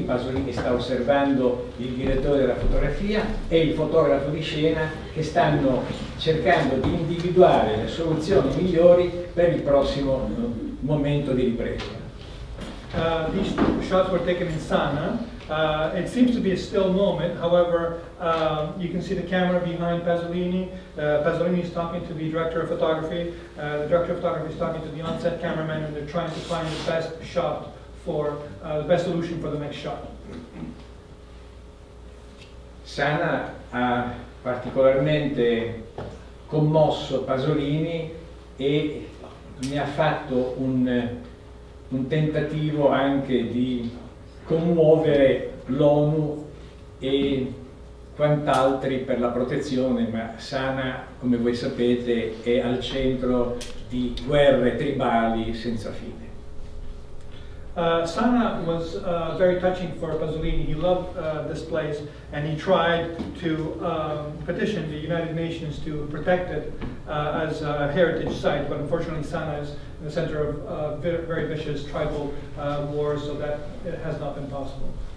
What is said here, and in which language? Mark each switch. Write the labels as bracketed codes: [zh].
[it] Pasolini sta osservando il direttore della fotografia e il fotografo di scena che stanno cercando di individuare le soluzioni migliori per il prossimo momento di ripresa. [en] These two shots were taken in Sanaa. It seems to be a still moment, however, you can see the camera behind Pasolini. Pasolini is talking to the director of photography. The director of photography is talking to the on-set cameraman, and they're trying to find the best shot for the best solution for the next shot. [it] Sanaa ha particolarmente commosso Pasolini e mi ha fatto un tentativo anche di commuovere l'ONU e quant'altri per la protezione, ma Sanaa, come voi sapete, è al centro di guerre tribali senza fine. [en] Sanaa was very touching for Pasolini. He loved this place and he tried to petition the United Nations to protect it as a heritage site, but unfortunately Sanaa is in the center of very vicious tribal wars, so that it has not been possible.